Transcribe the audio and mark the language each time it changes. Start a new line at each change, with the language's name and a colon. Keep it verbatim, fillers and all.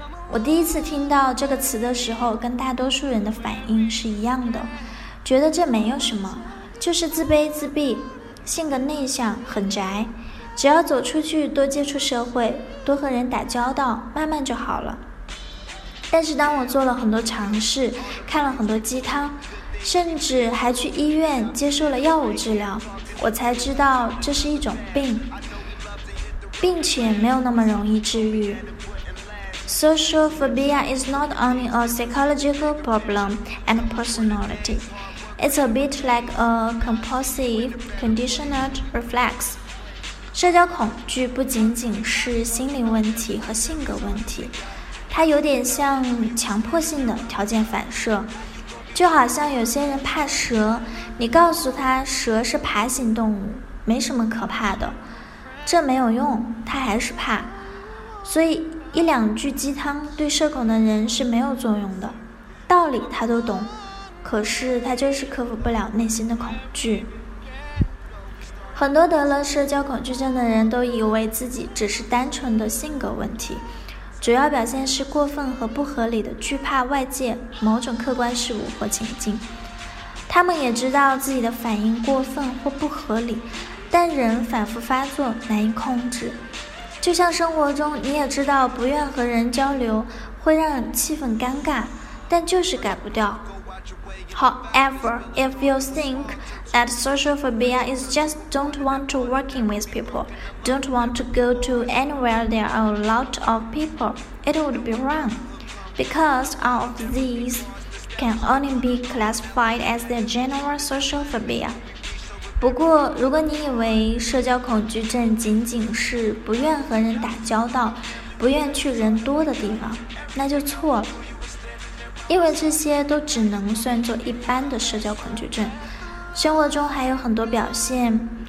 Chinese: 我第一次听到这个词的时候，跟大多数人的反应是一样的，觉得这没有什么，就是自卑自闭，性格内向，很宅，只要走出去，多接触社会，多和人打交道，慢慢就好了。但是当我做了很多尝试，看了很多鸡汤，甚至还去医院接受了药物治疗，我才知道这是一种病，并且没有那么容易治愈。
English: Social phobia is not only a psychological problem and personality. It's a bit like a compulsive, conditioned reflex.
Chinese: 社交恐惧不仅仅是心理问题和性格问题，它有点像强迫性的条件反射。就好像有些人怕蛇，你告诉他蛇是爬行动物，没什么可怕的，这没有用，他还是怕。所以一两句鸡汤对社恐的人是没有作用的，道理他都懂，可是他就是克服不了内心的恐惧。很多得了社交恐惧症的人都以为自己只是单纯的性格问题，主要表现是过分和不合理的惧怕外界某种客观事物或情境。他们也知道自己的反应过分或不合理，但仍反复发作，难以控制。就像生活中，你也知道不愿和人交流会让气氛尴尬，但就是改不掉。
English: However, if you think that social phobia is just don't want to working with people, don't want to go to anywhere there are a lot of people, it would be wrong, because all of these can only be classified as the general social phobia.
Chinese: 不过，如果你以为社交恐惧症仅仅是不愿和人打交道，不愿去人多的地方，那就错了。因为这些都只能算作一般的社交恐惧症，生活中还有很多表现。